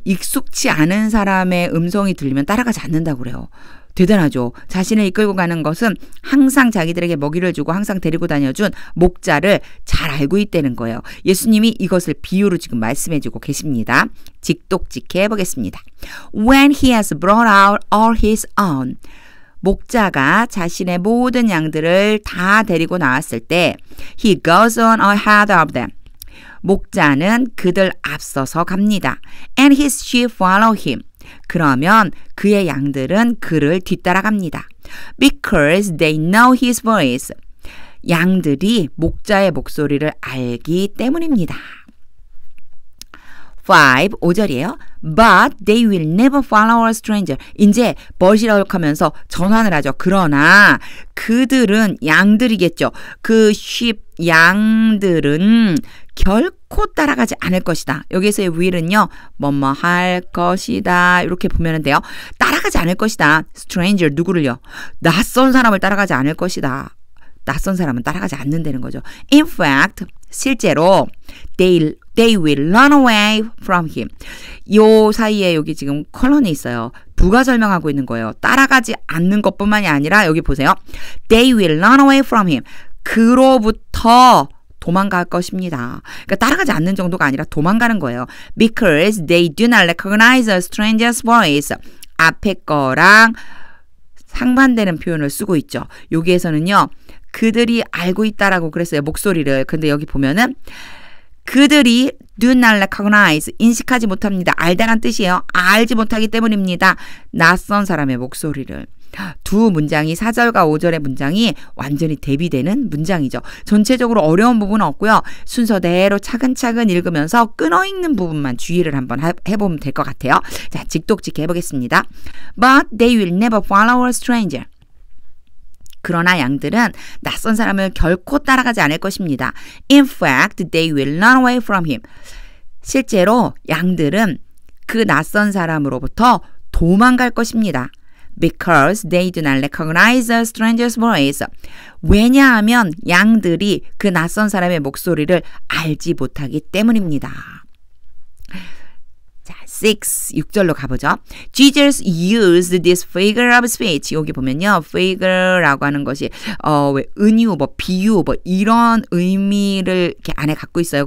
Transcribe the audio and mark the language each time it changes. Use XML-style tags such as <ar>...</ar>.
<ko>익숙치 않은 사람의 음성이 들리면 따라가지 않는다고 그래요. 대단하죠. 자신을 이끌고 가는 것은 항상 자기들에게 먹이를 주고 항상 데리고 다녀준 목자를 잘 알고 있다는 거예요. 예수님이 이것을 비유로 지금 말씀해주고 계십니다. 직독직해 보겠습니다.</ko> <en>When he has brought out all his own.</en> <ko>목자가 자신의 모든 양들을 다 데리고 나왔을 때</ko> <en>he goes on ahead of them.</en> <ko>목자는 그들 앞서서 갑니다.</ko> <en>And his sheep follow him.</en> <ko>그러면 그의 양들은 그를 뒤따라갑니다.</ko> <en>Because they know his voice.</en> <ko>양들이 목자의 목소리를 알기 때문입니다. 5절이에요.</ko> <en>But they will never follow a stranger.</en> <ko>이제 but이라고 하면서 전환을 하죠. 그러나 그들은 양들이겠죠. 그 sheep 양들은 결코 따라가지 않을 것이다. 여기서의 will은요. 뭐뭐 할 것이다. 이렇게 보면 돼요. 따라가지 않을 것이다. stranger 누구를요? 낯선 사람을 따라가지 않을 것이다. 낯선 사람은 따라가지 않는다는 거죠.</ko> <en>In fact,</en> <ko>실제로</ko> <en>they will run away from him.</en> <ko>요 사이에 여기 지금 콜론이 있어요. 누가 설명하고 있는 거예요. 따라가지 않는 것뿐만이 아니라 여기 보세요.</ko> <en>They will run away from him.</en> <ko>그로부터 도망갈 것입니다. 그러니까 따라가지 않는 정도가 아니라 도망가는 거예요.</ko> <en>Because they do not recognize a stranger's voice.</en> <ko>앞에 거랑 상반되는 표현을 쓰고 있죠. 여기에서는요, 그들이 알고 있다라고 그랬어요, 목소리를. 근데 여기 보면은 그들이</ko> <en>do not recognize,</en> <ko>인식하지 못합니다. 알다란 뜻이에요. 알지 못하기 때문입니다. 낯선 사람의 목소리를. 두 문장이, 4절과 5절의 문장이 완전히 대비되는 문장이죠. 전체적으로 어려운 부분은 없고요. 순서대로 차근차근 읽으면서 끊어있는 부분만 주의를 한번 해보면 될 것 같아요. 자, 직독직 해보겠습니다.</ko> <en>But they will never follow a stranger.</en> <ko>그러나 양들은 낯선 사람을 결코 따라가지 않을 것입니다.</ko> <en>In fact, they will run away from him.</en> <ko>실제로 양들은 그 낯선 사람으로부터 도망갈 것입니다.</ko> <en>Because they do not recognize a stranger's voice.</en> <ko>왜냐하면 양들이 그 낯선 사람의 목소리를 알지 못하기 때문입니다. 6절로 가보죠.</ko> <en>Jesus used this figure of speech.</en> <ko>여기 보면요, figure라고 하는 것이 은유, 뭐 비유, 뭐 이런 의미를 이렇게 안에 갖고 있어요.</ko>